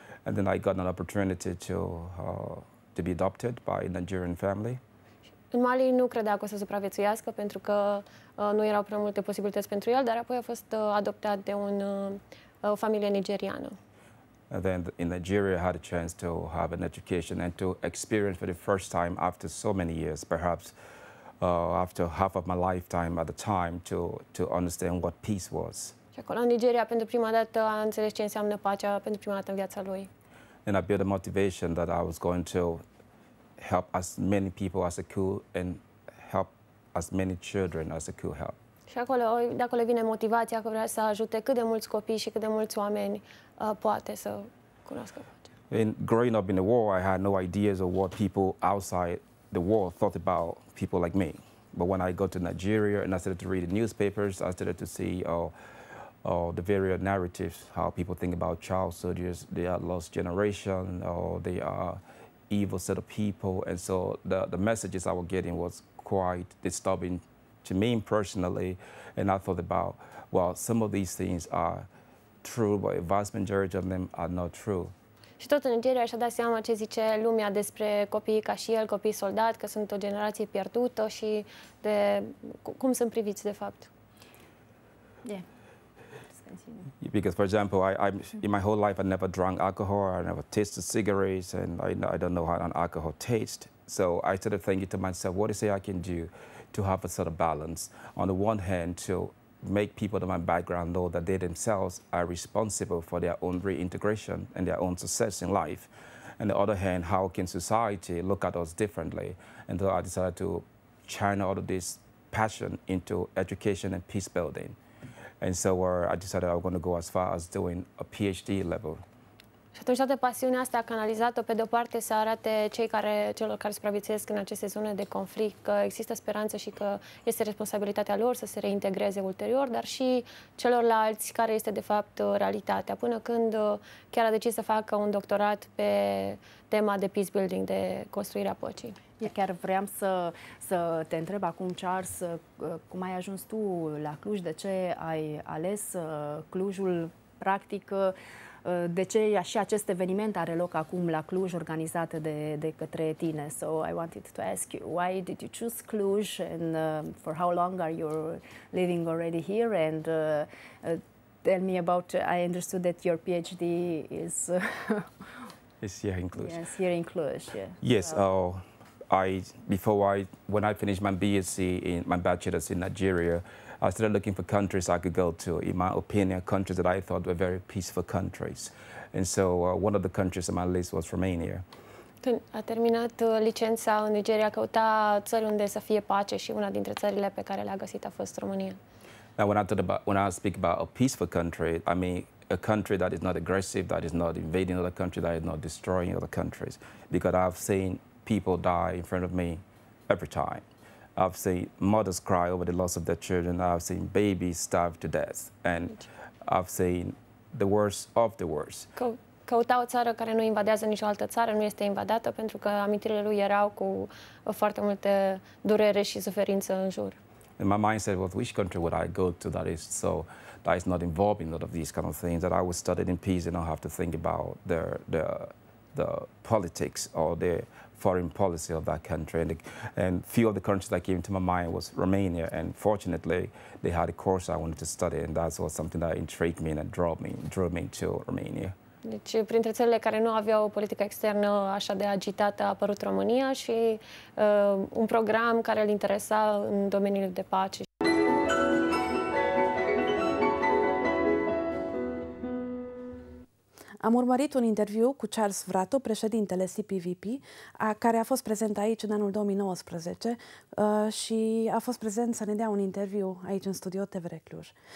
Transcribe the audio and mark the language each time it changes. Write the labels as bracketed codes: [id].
[en] And then I got an opportunity to be adopted by a Nigerian family. [ro] În Mali nu credea că o să supraviețuiască, pentru că nu erau prea multe posibilități pentru el, dar apoi a fost adoptat de o familie nigeriană. [en] And then in Nigeria I had a chance to have an education and to experience for the first time after so many years, perhaps after half of my lifetime at the time, to understand what peace was. [ro] Și acolo în Nigeria pentru prima dată a înțeles ce înseamnă pacea pentru prima dată în viața lui. [en] And I built a motivation that I was going to help as many people as I could and help as many children as I could help. [ro] Și acolo, de acolo vine motivația că vrea să ajute cât de mulți copii și cât de mulți oameni poate să cunoască pacea. [en] In growing up in the war, I had no ideas of what people outside the war thought about people like me. But when I got to Nigeria and I started to read the newspapers, I started to see the various narratives, how people think about child soldiers, they are lost generation, or they are evil set of people. And so the messages I was getting was quite disturbing to me personally, and I thought about, well, some of these things are true, but a vast majority of them are not true. [ro] Și tot în Nigeria și-a dat seama ce zice lumea despre copiii ca și el, copiii soldat, că sunt o generație pierdută și de cum sunt priviți de fapt. [en] Yeah. Because, for example, I in my whole life I never drank alcohol, I never tasted cigarettes, and I don't know how an alcohol tastes. So I started thinking to myself, what is it I can do to have a sort of balance? On the one hand, to make people of my background know that they themselves are responsible for their own reintegration and their own success in life. On the other hand, how can society look at us differently? And so I decided to channel all of this passion into education and peace building. And so I decided I was going to go as far as doing a PhD level. [ro] Și atunci toată pasiunea asta a canalizat-o pe de-o parte să arate celor care supraviețuiesc în aceste zone de conflict că există speranță și că este responsabilitatea lor să se reintegreze ulterior, dar și celorlalți care este de fapt realitatea, până când chiar a decis să facă un doctorat pe tema de peace building, de construirea păcii. Chiar vreau să te întreb acum, Charles, cum ai ajuns tu la Cluj, de ce ai ales Clujul, practic, de ce și acest eveniment are loc acum la Cluj, organizat de către tine. [en] So I wanted to ask you, why did you choose Cluj and for how long are you living already here? And tell me about, I understood that your PhD is... is here in Cluj. Yes, here in Cluj, yeah. Yes, well, when I finished my BSc, my bachelor's in Nigeria, I started looking for countries I could go to, in my opinion, countries that I thought were very peaceful countries. And so one of the countries on my list was Romania. [ro] Când a terminat licența în Nigeria, căuta țări unde să fie pace și una dintre țările pe care le-a găsit a fost România. [en] Now, when I speak about a peaceful country, I mean a country that is not aggressive, that is not invading other countries, that is not destroying other countries. Because I've seen people die in front of me every time. I've seen mothers cry over the loss of their children. I've seen babies starve to death. And I've seen the worst of the worst. [ro] Căuta o țară care nu invadează nicio altă țară, nu este invadată, pentru că amintirile lui erau cu foarte multe durere și suferință în jur. [en] And my mindset was, which country would I go to that is so, that is not involving a lot of these kind of things, that I was studied in peace and I have to think about the politics or the foreign policy of that country, and few of the countries that came to my mind was Romania, and fortunately they had a course I wanted to study, and that was something that intrigued me and drew me to Romania. [ro] Deci, printre țările care nu aveau o politică externă așa de agitată, a apărut România și un program care îl interesa în domeniul de pace. Am urmărit un interviu cu Charles Vrato, președintele CPVP, care a fost prezent aici în anul 2019 și a fost prezent să ne dea un interviu aici în studio TVR Cluj.